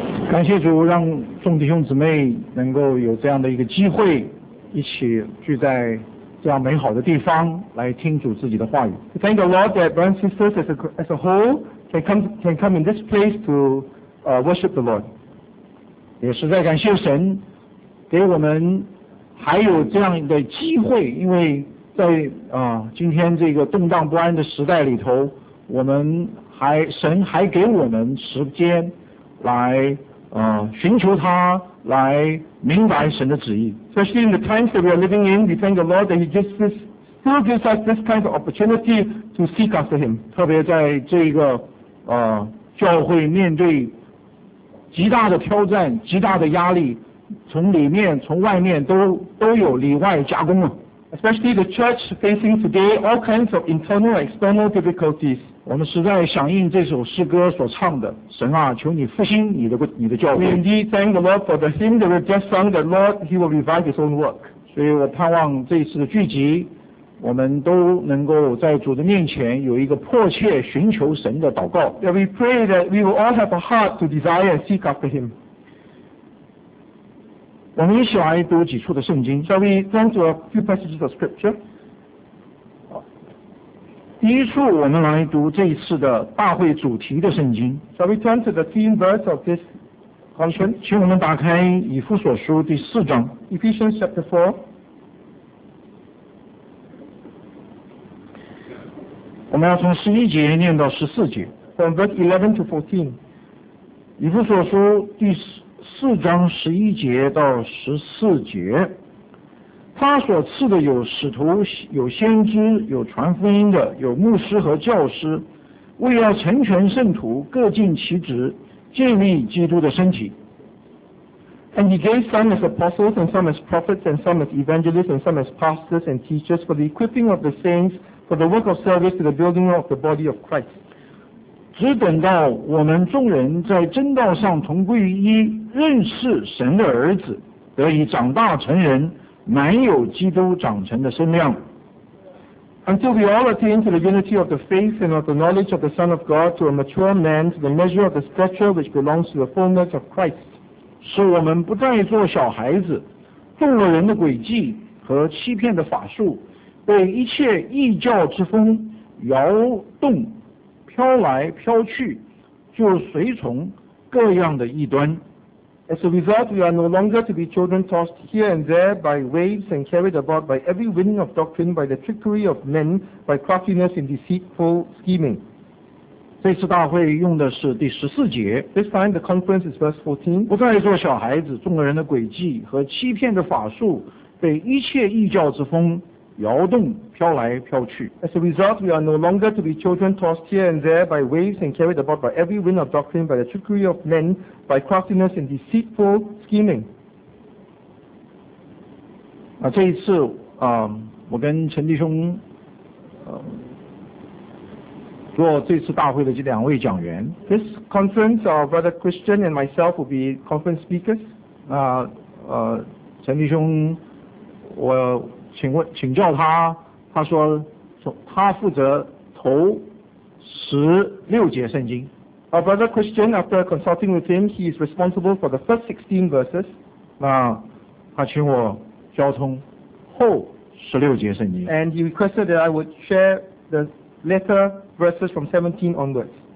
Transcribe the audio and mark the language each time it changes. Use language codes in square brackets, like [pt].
[zh] 感谢主，让众弟兄姊妹能够有这样的一个机会，一起聚在这样美好的地方来听主自己的话语。 [en] Thank the Lord that brothers and sisters as a whole can come in this place to worship the Lord。 [zh] 也实在感谢神，给我们还有这样的机会，因为在今天这个动荡不安的时代里头，我们还神还给我们时间来寻求他，来明白神的旨意。 [en] Especially in the times that we are living in, we thank the Lord that He just still gives us this kind of opportunity to seek after Him. [zh] 特别在这个教会面对极大的挑战、极大的压力，从里面、从外面都有里外夹攻啊。 [en] Especially the church facing today all kinds of internal and external difficulties. [zh] 我们实在响应这首诗歌所唱的，神啊，求你复兴你的教会。 [en] We indeed thank the Lord for the hymn that we just sung, that Lord, He will revive His own work. [zh] 所以我盼望这次的聚集，我们都能够在主的面前有一个迫切寻求神的祷告。 [en] That we pray that we will all have a heart to desire and seek after Him. [zh] 我们一起来读几处的圣经。 [en] Shall we turn to a few passages of scripture? [zh] 第一处我们来读这一次的大会主题的圣经。 [en] Shall we turn to the theme verse of this conference? [zh] 请我们打开以弗所书第四章。 [en] Ephesians chapter 4. [zh] 我们要从十一节念到十四节。 [en] From verse 11 to 14. [zh] 以弗所书第四章十一节到十四节，他所赐的有使徒，有先知，有传福音的，有牧师和教师，为要成全圣徒，各尽其职，建立基督的身体。 [en] And he gave some as apostles, and some as prophets, and some as evangelists, and some as pastors and teachers for the equipping of the saints for the work of service to the building of the body of Christ. [zh] 只等到我们众人在真道上同归于一，认识神的儿子，得以长大成人，满有基督长成的身量。 [en] Until we all attain to the unity of the faith and of the knowledge of the Son of God, to a mature man, to the measure of the stature which belongs to the fullness of Christ, [zh] 使我们不再做小孩子，中了人的诡计和欺骗的法术，被一切异教之风摇动。飘来飘去，就随从各样的异端。 [en] As a result, we are no longer to be children tossed here and there by waves and carried about by every wind of doctrine, by the trickery of men, by craftiness in deceitful scheming. [zh] 这次大会用的是第十四节。 [en] This time the conference is verse 14. [zh] 不再做小孩子，中了人的诡计和欺骗的法术，被一切异教之风摇动飘来飘去。 [en] As a result, we are no longer to be children tossed here and there by waves and carried about by every wind of doctrine, by the trickery of men, by craftiness and deceitful scheming. [zh] 啊，这一次，我跟陈弟兄，做这次大会的这两位讲员。 [en] This conference, our brother Christian and myself will be conference speakers. [zh] 那，陈弟兄，我。请教他，他说他负责头十六节圣经。 [en] Our brother Christian, after consulting with him, he is responsible for the first 16 verses. [zh] 那他请我交通后十六节圣经。 [en] And he requested that I would share the latter verses from 17 onwards.